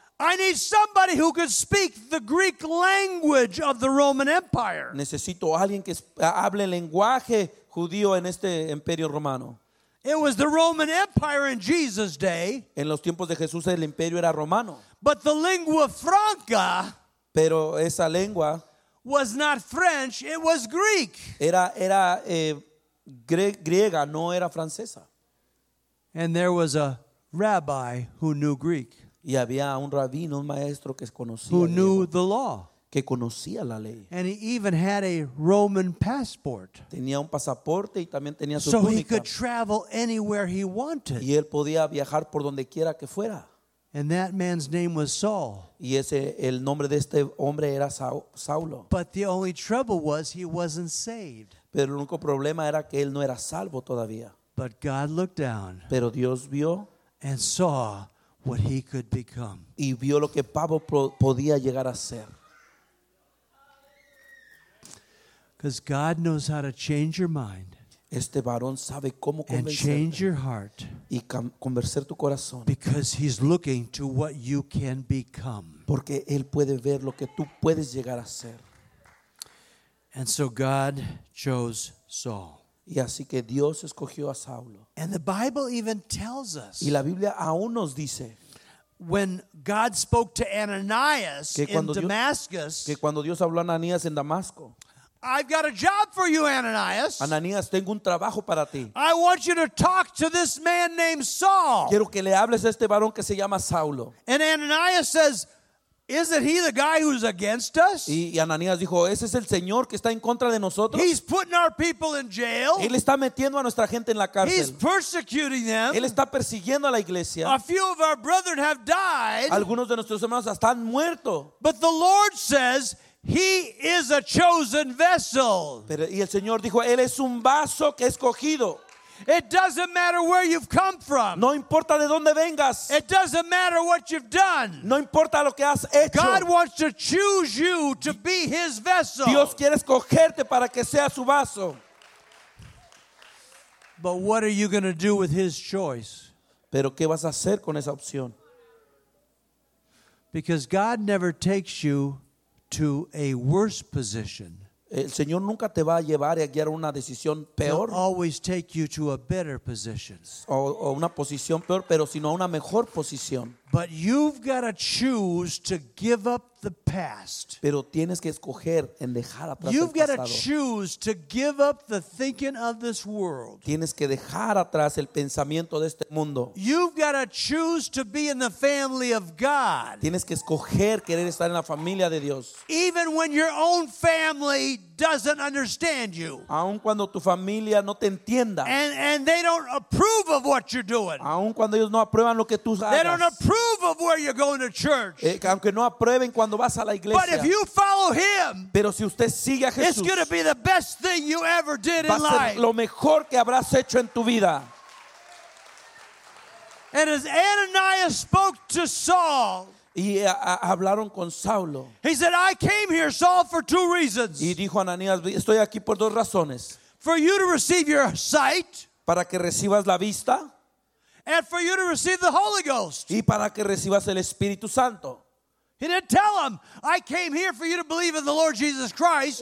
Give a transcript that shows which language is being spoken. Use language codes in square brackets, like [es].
[en] I need somebody who could speak the Greek language of the Roman Empire. [es] Necesito alguien que hable el lenguaje judío en este imperio romano. [en] It was the Roman Empire in Jesus' day. [es] En los tiempos de Jesús el imperio era romano. [en] But the lingua franca. [es] Pero esa lengua. [en] Was not French. It was Greek. [es] Era griega, no era francesa. [en] And there was a rabbi who knew Greek. [es] Y había un rabino, un maestro que conocía [en] who knew the law. [es] que conocía la ley. [en] And he even had a Roman passport. [es] Tenía un pasaporte y también tenía su túnica. [en] So he could travel anywhere he wanted. [es] Y él podía viajar por donde quiera que fuera. [en] And that man's name was Saul. [es] Y ese, el nombre de este hombre era Saulo. [en] But the only trouble was he wasn't saved. [es] Pero el único problema era que él no era salvo todavía. [en] But God looked down. [es] Pero Dios vio. [en] And saw what he could become. [es] Y vio lo que Pablo podía llegar a ser. [en] Because God knows how to change your mind. [es] Este varón sabe cómo [en] and change your heart. [es] Y convencer tu corazón. [en] Because he's looking to what you can become. [es] Porque él puede ver lo que tú puedes llegar a ser. [en] And so God chose Saul. [es] Y así que Dios escogió a Saulo. [en] And the Bible even tells us. [es] Y la Biblia aún nos dice. [en] When God spoke to Ananias in Damascus. [es] Que cuando Dios habló a Ananías en Damasco. [en] I've got a job for you, Ananias. [es] Ananías, tengo un trabajo para ti. [en] I want you to talk to this man named Saul. [es] Quiero que le hables a este varón que se llama Saulo. [en] And Ananias says, "Isn't he the guy who's against us?" [es] Y Ananías dijo, "Ese es el señor que está en contra de nosotros." [en] He's putting our people in jail. [es] Él está metiendo a nuestra gente en la cárcel. [en] He's persecuting them. [es] Él está persiguiendo a la iglesia. [en] A few of our brethren have died. [es] Algunos de nuestros hermanos están muertos. [en] But the Lord says, "He is a chosen vessel." [es] Pero y el Señor dijo, "Él es un vaso que escogido." [en] It doesn't matter where you've come from. [es] No importa de dónde vengas. [en] It doesn't matter what you've done. [es] No importa lo que has hecho. [en] God wants to choose you to be his vessel. [es] Dios quiere escogerte para que sea su vaso. [en] But what are you going to do with his choice? [es] Pero qué vas a hacer con esa opción? [en] Because God never takes you to a worse position. [es] El Señor nunca te va a llevar a guiar una decisión peor. [en] He'll always take you to a better position. [es] O una posición peor, pero sino a una mejor posición. [en] But you've got to choose to give up the past. [es] Pero tienes que escoger en dejar atrás el pasado. [en] You've got to choose to give up the thinking of this world. [es] Tienes que dejar atrás el pensamiento de este mundo. [en] You've got to choose to be in the family of God. [es] Tienes que escoger querer estar en la familia de Dios. [en] Even when your own family doesn't understand you. [es] Aun cuando tu familia no te entienda. [en] And they don't approve of what you're doing. [es] Aun cuando ellos no aprueban lo que tú hagas. [en] They don't approve of where you're going to church. [es] Aunque no aprueben cuando vas a la iglesia. [en] But if you follow him, [es] pero si usted sigue a Jesús, [en] it's going to be the best thing you ever did in life. [es] Va a ser lo mejor que habrás hecho en tu vida. [en] And as Ananias spoke to Saul, [es] y hablaron con Saulo. [en] He said, "I came here, Saul, for two reasons." [es] Y dijo Ananías, "Estoy aquí por dos razones." [en] For you to receive your sight. [es] Para que recibas la vista. [en] And for you to receive the Holy Ghost. [es] Y para que recibas el Espíritu Santo. [en] He didn't tell him, "I came here for you to believe in the Lord Jesus Christ."